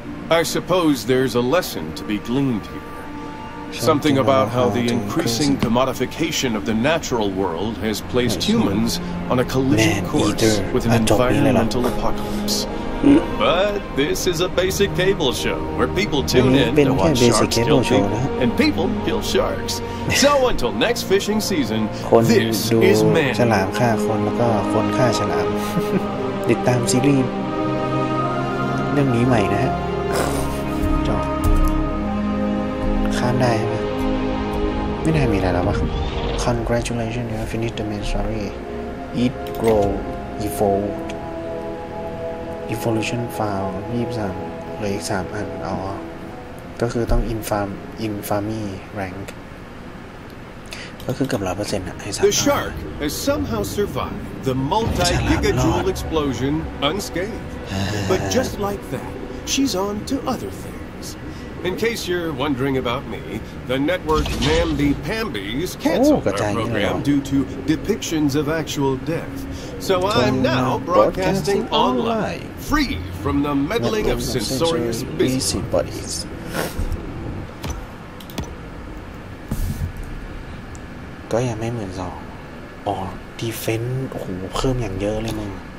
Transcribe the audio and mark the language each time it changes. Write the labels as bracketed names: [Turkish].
[English] I suppose there's a lesson to be gleaned here. Something about how the increasing commodification of the natural world has placed humans on a collision course with an environmental apocalypse. But this is a basic cable show where people tune in to watch sharks kill people and people kill sharks. So until next fishing season, this is Man. [Thai] ฉลามฆ่าคนแล้วก็คนฆ่าฉลามติดตามซีรีส์เรื่องนี้ใหม่นะฮะ ข้ามได้ใช่ไหมไม่น่ามีอะไรแล้ววะ [English] Congratulations you have finished the main story Eat, grow, evolve Evolution farm 23 [Thai] เหลืออีก3อันอ๋อก็คือต้อง [English] Infamy rank The shark has somehow survived the multi-gigajoule explosion unscathed. But just like that, she's on to other things. In case you're wondering about me, the network Namby Pambies canceled our program due to depictions of actual death. So I'm now broadcasting online, free from the meddling of censorious busybodies. [Thai] ก็ยังไม่เหมือนสองดีเฟนส์โอ้โหเพิ่มอย่างเยอะเลยมึง